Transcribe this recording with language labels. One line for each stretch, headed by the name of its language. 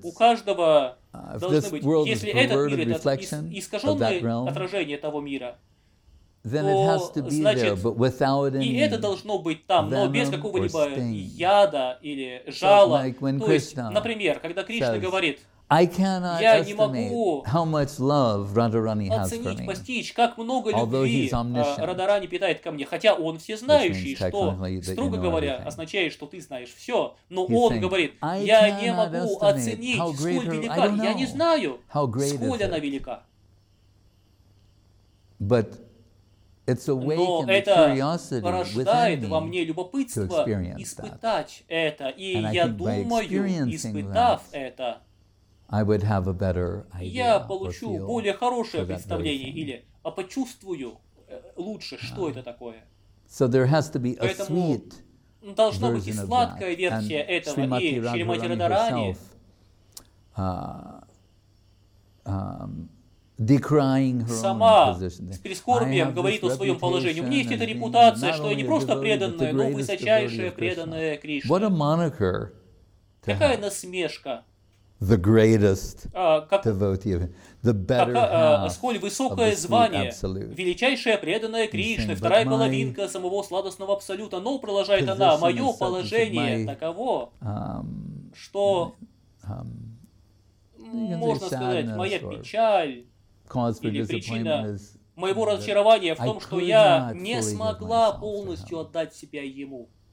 Russian: У каждого должно быть, если этот мир – это искаженное отражение того мира, то значит, и это должно быть там, но без какого-либо яда или жала. То есть, например, когда Кришна говорит,
English: I cannot estimate how much love Radharani has for me.
Russian: Постичь, как много любви Радарани питает ко мне, хотя он всезнающий, что, строго говоря, означает, что ты знаешь все, но он говорит, я не могу оценить, сколь велика, я не знаю, сколь она велика.
English: But it's awakened curiosity within me to experience that.
Russian: Это, и я думаю, испытав это,
English: I would have a better idea
Russian: я получу
English: or feel
Russian: более хорошее представление или почувствую лучше, что это такое.
English: So there has to be a sweet
Russian: поэтому должна быть и сладкая версия этого,
English: Shrimati
Russian: и Шримати Радхарани
English: decrying her
Russian: сама
English: own position.
Russian: С прискорбием говорит о своем положении. У меня есть эта репутация, что я не просто преданная, но высочайшая преданная Кришне.
English: What a moniker!
Russian: Какая насмешка!
English: The greatest devotee of him, the better half.
Russian: Сколь высокое звание, величайшая преданная Кришне, вторая половинка самого сладостного абсолюта. Но продолжает она, мое положение таково, что можно сказать, моя печаль или причина моего разочарования в том, что я не смогла полностью отдать себя ему.